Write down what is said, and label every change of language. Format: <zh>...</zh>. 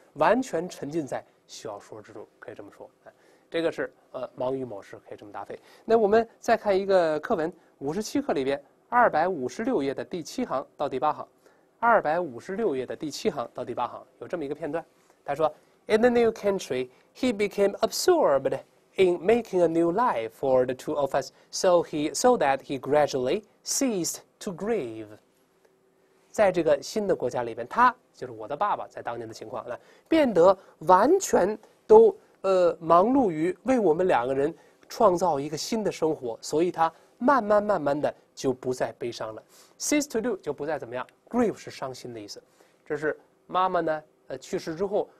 <zh>完全沉浸在小说之中，可以这么说。这个是忙于某事，可以这么搭配。那我们再看一个课文，57课里边256页的第七行到第八行，256页的第七行到第八行有这么一个片段，他说。</zh> <en>In the new country, he became absorbed in making a new life for the two of us, so that he gradually ceased to grieve.</en> <zh>在这个新的国家里边，他就是我的爸爸，在当年的情况呢，变得完全都忙碌于为我们两个人创造一个新的生活，所以他慢慢慢慢的就不再悲伤了。 Cease to do 就不再怎么样 ，grieve 是伤心的意思。这是妈妈呢去世之后。</zh>